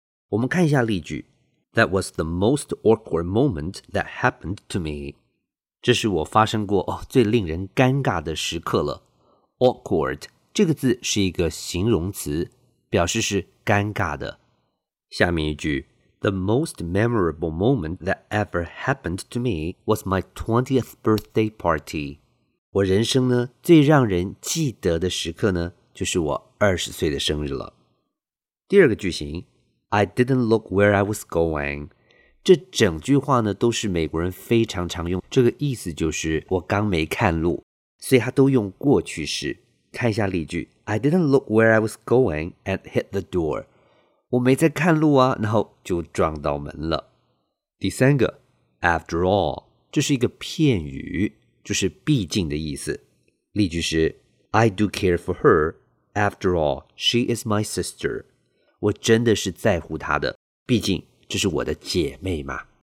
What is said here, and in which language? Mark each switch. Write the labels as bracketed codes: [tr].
[zh] 我们看一下例句， [en] That was the most awkward moment that happened to me， [zh] 这是我发生过，哦，最令人尴尬的时刻了。 awkward 这个字是一个形容词，表示是尴尬的。下面一句， [en] The most memorable moment that ever happened to me was my 20th birthday party. [zh] 我人生呢最让人记得的时刻呢，就是我20岁的生日了。第二个句型， [en] I didn't look where I was going. [zh] 这整句话呢都是美国人非常常用，这个意思就是我刚没看路，所以他都用过去式。看一下例句， [en] I didn't look where I was going and hit the door. [zh] 我没在看路啊，然后就撞到门了。第三个 After all 这是一个片语，就是毕竟的意思。例句是 [en] I do care for her After all she is my sister， [zh] 我真的是在乎她的，毕竟这是我的姐妹嘛。